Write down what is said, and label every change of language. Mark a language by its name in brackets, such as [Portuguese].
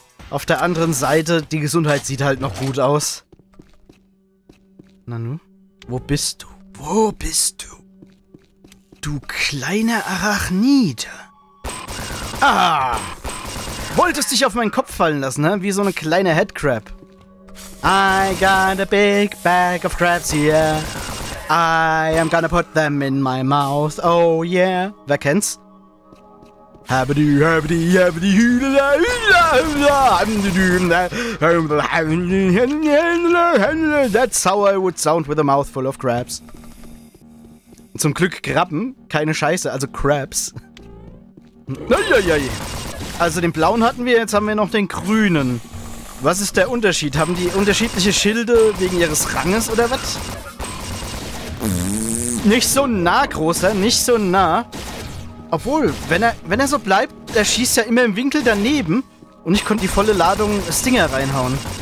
[German] Auf der anderen Seite, die Gesundheit sieht halt noch gut aus. Nanu? Wo bist du? Du kleiner Arachnid. Ah! Wolltest dich auf meinen Kopf fallen lassen, hä? Wie so eine kleine Headcrab. [English] I got a big bag of crabs here. I am gonna put them in my mouth. Oh yeah. [German] Wer kennt's? [English] That's how I would sound with a mouth full of crabs. [German] Zum Glück Krabben, keine Scheiße, also Crabs. Also den blauen hatten wir, jetzt haben wir noch den grünen. Was ist der Unterschied? Haben die unterschiedliche Schilde wegen ihres Ranges oder was? Nicht so nah, Großer, nicht so nah. Obwohl, wenn er so bleibt, der schießt ja immer im Winkel daneben und ich konnte die volle Ladung Stinger reinhauen.